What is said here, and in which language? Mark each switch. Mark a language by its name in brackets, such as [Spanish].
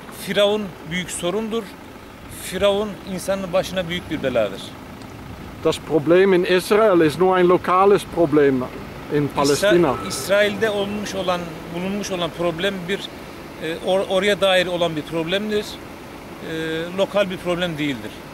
[Turkish] Firavun büyük sorundur. Firavun insanın başına büyük bir beladır. [German] Das Problem in Israel ist nur ein lokales Problem in Palestina. [Turkish] İsrail'de olmuş olan, bulunmuş olan problem bir oraya dair olan bir problemdir. Lokal bir problem değildir.